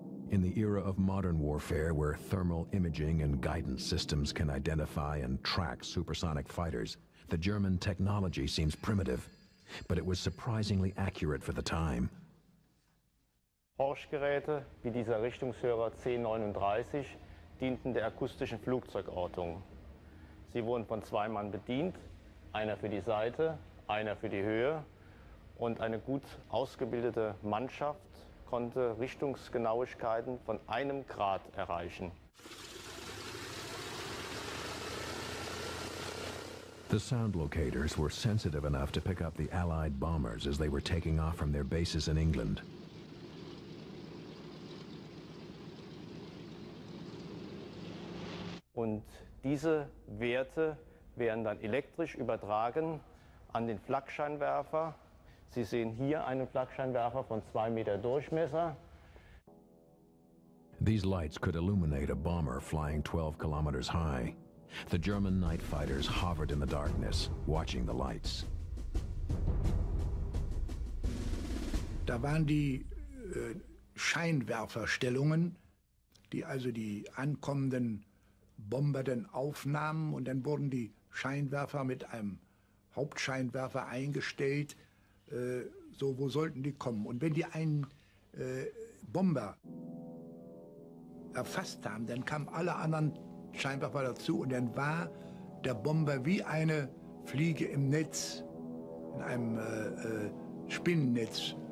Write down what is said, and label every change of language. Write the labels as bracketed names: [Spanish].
[English] In the era of modern warfare, where thermal imaging and guidance systems can identify and track supersonic fighters, the German technology seems primitive, but it was surprisingly accurate for the time. [German] Horchgeräte wie dieser Richtungshörer C39 dienten der akustischen Flugzeugortung. Sie wurden von zwei Mann bedient, einer für die Seite, einer für die Höhe, und eine gut ausgebildete Mannschaft konnte Richtungsgenauigkeiten von einem Grad erreichen. [English] The sound locators were sensitive enough to pick up the Allied bombers as they were taking off from their bases in England. [German] Und diese Werte werden dann elektrisch übertragen an den Flakscheinwerfer. Sie sehen hier einen Flakscheinwerfer von 2 Meter Durchmesser. [English] These lights could illuminate a bomber flying 12 kilometers high. The German night fighters hovered in the darkness, watching the lights. [German] Da waren die Scheinwerferstellungen, die also die ankommenden Bomber dann aufnahmen, und dann wurden die Scheinwerfer mit einem Hauptscheinwerfer eingestellt. So, wo sollten die kommen? Und wenn die einen Bomber erfasst haben, dann kamen alle anderen Scheinwerfer dazu, und dann war der Bomber wie eine Fliege im Netz, in einem Spinnennetz.